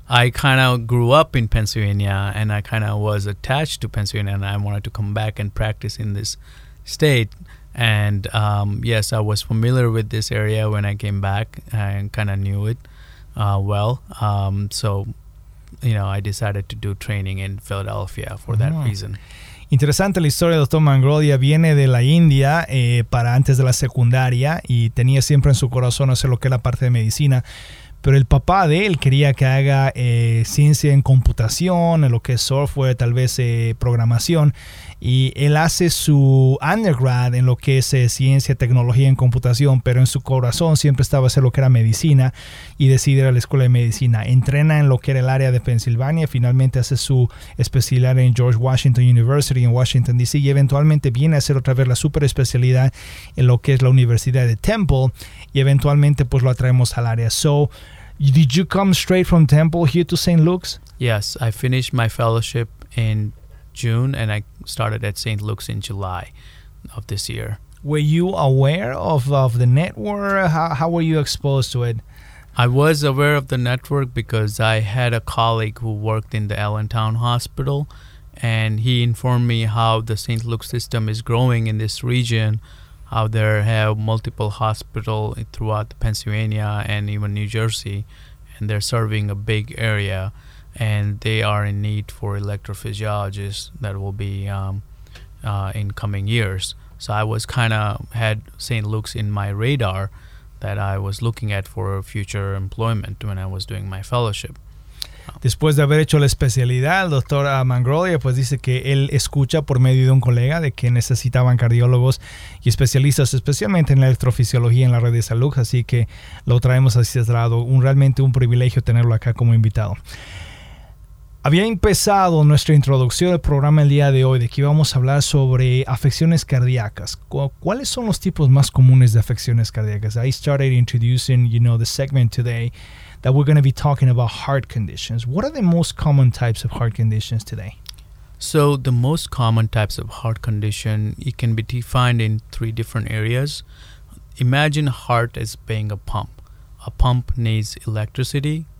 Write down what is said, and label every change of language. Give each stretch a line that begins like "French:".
English: I kind of grew up in Pennsylvania, and I kind of was attached to Pennsylvania, and I wanted to come back and practice in this state. And yes, I was familiar with this area when I came back and kind of knew it well. So, you know, I decided to do training in Philadelphia for that reason.
Spanish: Interesante la historia del Dr. Mangrolia. Viene de la India para antes de la secundaria y tenía siempre en su corazón hacer lo que era parte de medicina. Pero el papá de él quería que haga ciencia en computación, en lo que es software, tal vez programación. Y él hace su undergrad en lo que es ciencia, tecnología en computación, pero en su corazón siempre estaba a hacer lo que era medicina y decide ir a la escuela de medicina. Entrena en lo que era el área de Pensilvania, finalmente hace su especialidad en George Washington University en Washington D.C. y eventualmente viene a hacer otra vez la super especialidad en lo que es la Universidad de Temple y eventualmente pues lo atraemos al área.
English: So, did you come straight from Temple here to St. Luke's? Yes, I finished my fellowship in June and I started at St. Luke's in July of this year. Were you aware of the network? How were you exposed to it? I was aware of the network because I had a colleague who worked in the Allentown Hospital and he informed me how the St. Luke's system is growing in this region, how there have multiple hospitals throughout Pennsylvania and even New Jersey, and they're serving a big area. And they are in need for electrophysiologists that will be in coming years. So I was kind of had St. Luke's in my radar that I was looking at for future employment when I was doing my fellowship.
Spanish: Después de haber hecho la especialidad, el doctor Mangrolia pues dice que él escucha por medio de un colega de que necesitaban cardiólogos y especialistas, especialmente en la electrofisiología en la red de salud. Así que lo traemos a este lado. Realmente un privilegio tenerlo acá como invitado. Había empezado nuestra introducción al programa el día de hoy de que íbamos a hablar sobre afecciones cardíacas. ¿Cuáles son los tipos más comunes de afecciones cardíacas?
English: I started introducing, you know, the segment today that we're going to be talking about heart conditions. What are the most common types of heart conditions today? So the most common types of heart condition, it can be defined in three different areas. Imagine heart as being a pump. A pump needs electricity.